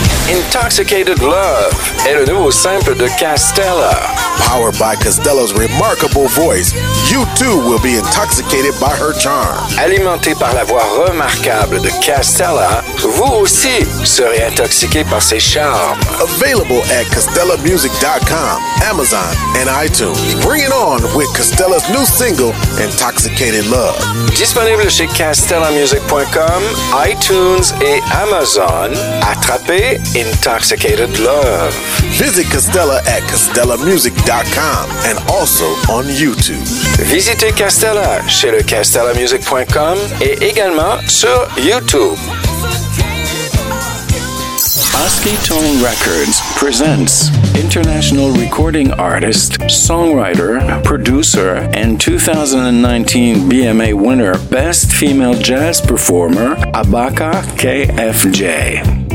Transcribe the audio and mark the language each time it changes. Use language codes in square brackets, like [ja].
[fr] Intoxicated Love est le nouveau simple de Castella. [en] Powered by Costello's remarkable voice, you too will be intoxicated by her charm. [fr] Alimenté par la voix remarquable de Castella, vous aussi serez intoxiqué par ses charmes. [en] Available at CostellaMusic.com, Amazon, and iTunes. Bring it on with Costello's new single, Intoxicated Love. [fr] Disponible chez CostellaMusic.com, iTunes, et Amazon. Attrapez Intoxicated Love. [en] Visit Costella at CostellaMusic.com and also on YouTube. [fr] Visitez Castella chez le CastellaMusic.com et également sur YouTube. [en] Husky Tone Records presents international recording artist, songwriter, producer, and 2019 BMA winner, Best Female Jazz Performer, HabakaKFJ.